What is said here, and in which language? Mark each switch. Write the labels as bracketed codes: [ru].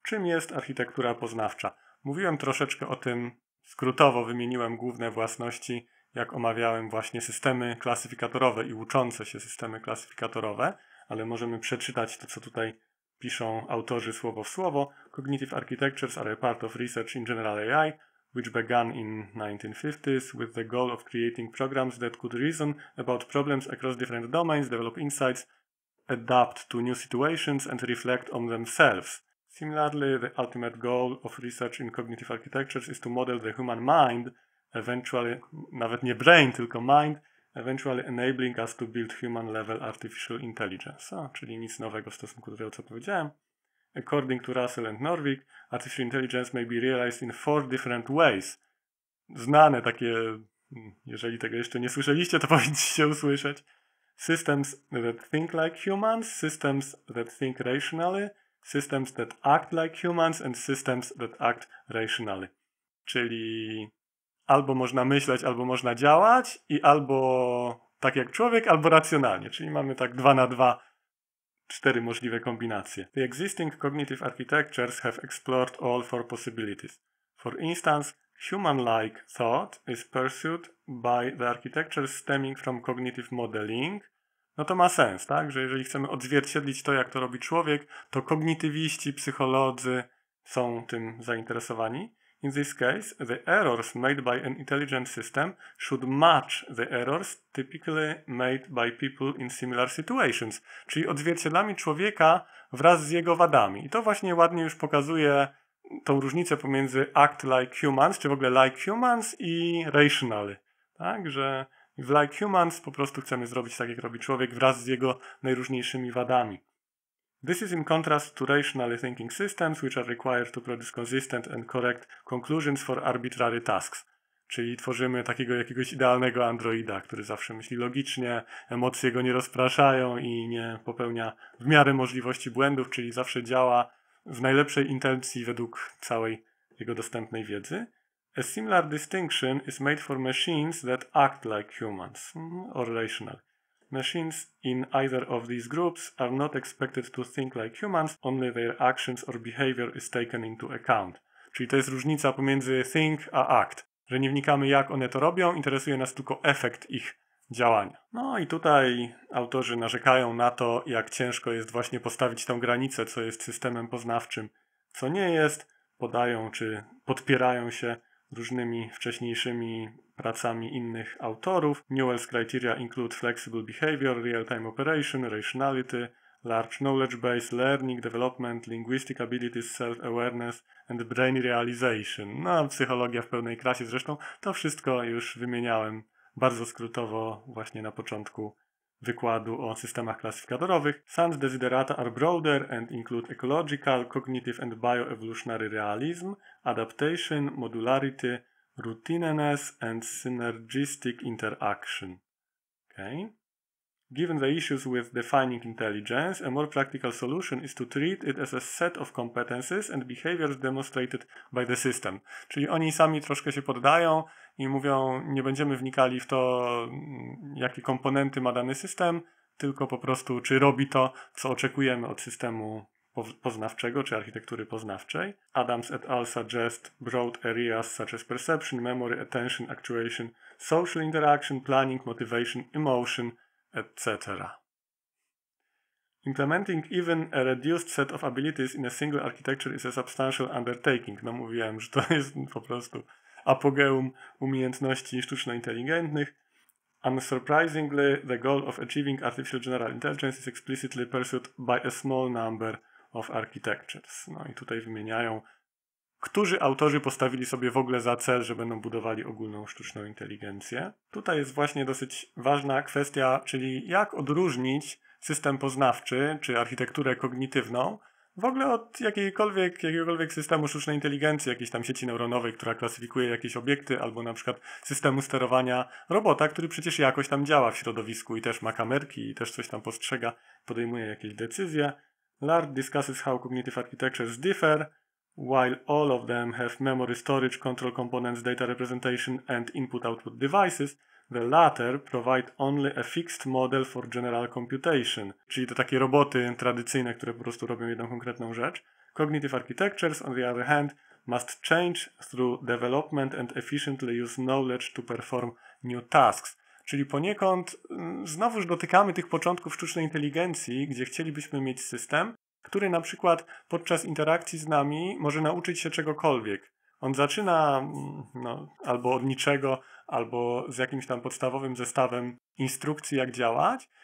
[pl] Czym jest architektura poznawcza? Mówiłem troszeczkę o tym, skrótowo wymieniłem główne własności, jak omawiałem właśnie systemy klasyfikatorowe i uczące się systemy klasyfikatorowe, ale możemy przeczytać to, co tutaj piszą autorzy słowo w słowo. [en] Cognitive architectures are a part of research in general AI, which began in 1950s with the goal of creating programs that could reason about problems across different domains, develop insights, adapt to new situations and reflect on themselves. Similarly, the ultimate goal of research in cognitive architectures is to model the human mind, eventually, [pl] nawet nie brain, tylko mind, [en] eventually enabling us to build human-level artificial intelligence. [pl] O, czyli nic nowego w stosunku do tego, co powiedziałem. [en] According to Russell and Norvig, artificial intelligence may be realized in four different ways. [pl] Znane takie, jeżeli tego jeszcze nie słyszeliście, to powinniście usłyszeć. [en] Systems that think like humans, systems that think rationally, systems that act like humans and systems that act rationally. [pl] Czyli albo można myśleć, albo można działać i albo tak jak człowiek, albo racjonalnie. Czyli mamy tak 2 na 2, 4 możliwe kombinacje. [en] The existing cognitive architectures have explored all four possibilities. For instance, human-like thought is pursued by the architectures stemming from cognitive modeling, [pl] no to ma sens, tak? Że jeżeli chcemy odzwierciedlić to, jak to robi człowiek, to kognitywiści, psycholodzy są tym zainteresowani. [en] In this case, the errors made by an intelligent system should match the errors typically made by people in similar situations. [pl] Czyli odzwierciedlamy człowieka wraz z jego wadami. I to właśnie ładnie już pokazuje tą różnicę pomiędzy [en] act like humans, [pl] czy w ogóle [en] like humans [pl] i rational. Tak, że w [en] like humans [pl] po prostu chcemy zrobić tak, jak robi człowiek wraz z jego najróżniejszymi wadami. [en] This is in contrast to rationally thinking systems, which are required to produce consistent and correct conclusions for arbitrary tasks. [pl] Czyli tworzymy takiego jakiegoś idealnego androida, który zawsze myśli logicznie, emocje go nie rozpraszają i nie popełnia w miarę możliwości błędów, czyli zawsze działa w najlepszej intencji według całej jego dostępnej wiedzy. [en] A similar distinction is made for machines that act like humans or rational. Machines in either of these groups are not expected to think like humans, only their actions or behavior is taken into account. [pl] Czyli to jest różnica pomiędzy think a act, że nie wnikamy, jak one to robią, interesuje nas tylko efekt ich działania. No i tutaj autorzy narzekają na to, jak ciężko jest właśnie postawić tę granicę, co jest systemem poznawczym, co nie jest, podają czy podpierają się różnymi wcześniejszymi pracami innych autorów. [en] Newell's criteria include flexible behavior, real-time operation, rationality, large knowledge base, learning, development, linguistic abilities, self-awareness and brain realization. [pl] No, psychologia w pełnej krasie zresztą. To wszystko już wymieniałem bardzo skrótowo właśnie na początku wykładu o systemach klasyfikatorowych. [en] Sand's desiderata are broader and include ecological, cognitive and bioevolutionary realism, adaptation, modularity, routineness and synergistic interaction. Okay. Given the issues with defining intelligence, a more practical solution is to treat it as a set of competences and behaviors demonstrated by the system. [pl] Czyli oni sami troszkę się poddają i mówią, nie będziemy wnikali w to, jakie komponenty ma dany system, tylko po prostu, czy robi to, co oczekujemy od systemu poznawczego, czy architektury poznawczej. [en] Adams et al. Suggest broad areas such as perception, memory, attention, actuation, social interaction, planning, motivation, emotion, etc. Implementing even a reduced set of abilities in a single architecture is a substantial undertaking. [pl] No mówiłem, że to jest po prostu apogeum umiejętności sztuczno-inteligentnych. [en] Unsurprisingly, the goal of achieving artificial general intelligence is explicitly pursued by a small number of architectures. [pl] No i tutaj wymieniają, którzy autorzy postawili sobie w ogóle za cel, że będą budowali ogólną sztuczną inteligencję. Tutaj jest właśnie dosyć ważna kwestia, czyli jak odróżnić system poznawczy, czy architekturę kognitywną, w ogóle od jakiegokolwiek systemu sztucznej inteligencji, jakiejś tam sieci neuronowej, która klasyfikuje jakieś obiekty, albo na przykład systemu sterowania robota, który przecież jakoś tam działa w środowisku i też ma kamerki, i też coś tam postrzega, podejmuje jakieś decyzje. [en] Lard discusses how cognitive architectures differ, while all of them have memory storage, control components, data representation and input-output devices, the latter provide only a fixed model for general computation. [pl] Czyli to takie roboty tradycyjne, które po prostu robią jedną konkretną rzecz. [en] Cognitive architectures, on the other hand, must change through development and efficiently use knowledge to perform new tasks. [pl] Czyli poniekąd znowuż dotykamy tych początków sztucznej inteligencji, gdzie chcielibyśmy mieć system, który na przykład podczas interakcji z nami może nauczyć się czegokolwiek. On zaczyna albo od niczego, albo z jakimś tam podstawowym zestawem instrukcji, jak działać.